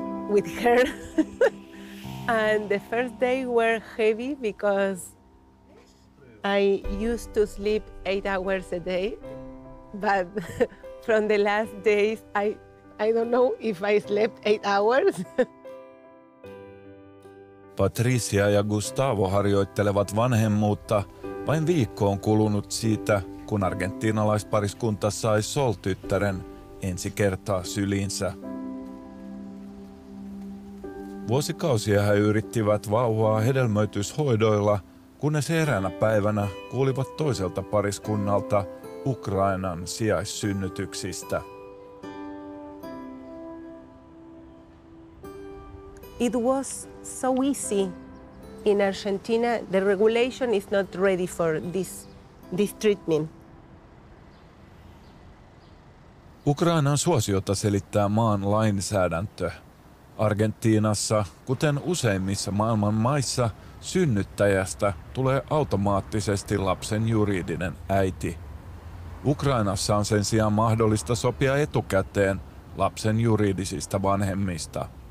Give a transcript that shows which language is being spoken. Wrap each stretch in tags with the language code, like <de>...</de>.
<en>With her and the first day were heavy because I used to sleep 8 hours a day, but from the last days I don't know if I slept 8 hours.</en> <fi>Patricia ja Gustavo harjoittelevat vanhemmuutta vain viikko on kulunut siitä, kun argentinalaispariskunta sai Sol-tyttären ensi kertaa syliinsä. Vuosikausia he yrittivät vauvaa hedelmöityshoidoilla, kunnes eräänä päivänä kuulivat toiselta pariskunnalta Ukrainan sijaissynnytyksistä.</fi> <en>It was so easy in Argentina. The regulation is not ready for this treatment.</en> <fi>Ukrainan suosiota selittää maan lainsäädäntö. Argentiinassa, kuten useimmissa maailman maissa, synnyttäjästä tulee automaattisesti lapsen juridinen äiti. Ukrainassa on sen sijaan mahdollista sopia etukäteen lapsen juridisista vanhemmista.</fi>